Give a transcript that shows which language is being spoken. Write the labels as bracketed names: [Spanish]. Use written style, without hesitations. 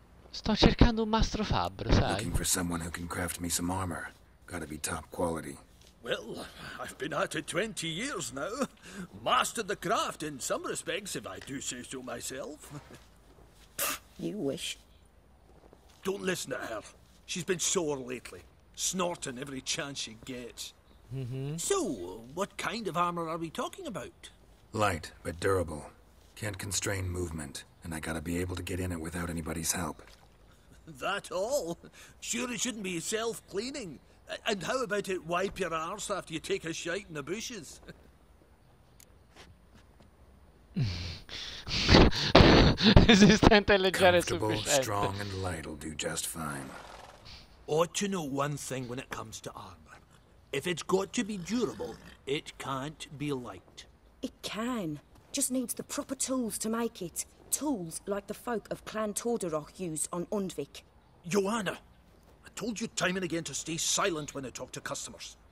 [Italian] Sto cercando un mastro fabbro, sai. [English] Looking for someone who can craft me some armor. Gotta be top quality. Well, I've been at it 20 years now. Mastered the craft in some respects, if I do say so myself. You wish. Don't listen to her. She's been sore lately, snorting every chance she gets. So, what kind of armor are we talking about? Light, but durable. Can't constrain movement, and I gotta be able to get in it without anybody's help. That all? Sure it shouldn't be self-cleaning. And how about it wipe your arse after you take a shite in the bushes? [Italian] Resistente e leggero è sufficiente. [English] Comfortable, strong and light will do just fine. ought to know one thing when it comes to armor. If it's got to be durable, it can't be light. It can. Just needs the proper tools to make it. Tools like the folk of Clan Tordaroch use on Undvik. Joanna, I told you time and again to stay silent when I talk to customers.